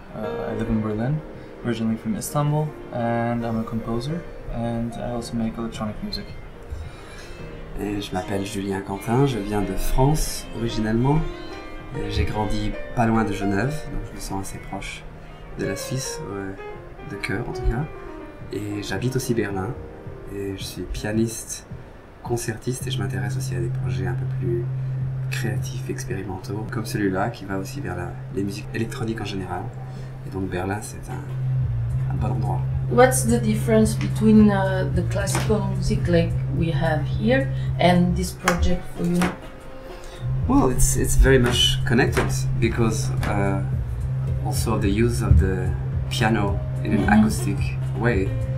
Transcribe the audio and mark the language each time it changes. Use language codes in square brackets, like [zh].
[en] I live in Berlin, originally from Istanbul, and I'm a composer, and I also make electronic music. [fr] Et je m'appelle Julien Quentin, je viens de France originellement. J'ai grandi pas loin de Genève, donc je me sens assez proche de la Suisse, de cœur en tout cas. Et j'habite aussi Berlin, et je suis pianiste, concertiste, et je m'intéresse aussi à des projets un peu plus créatifs, expérimentaux, comme celui-là, qui va aussi vers les musiques électroniques en général. Et donc Berlin, c'est un bon endroit. [en] What's the difference between the classical music like we have here and this project for you? Well, it's very much connected because also the use of the piano in an acoustic way.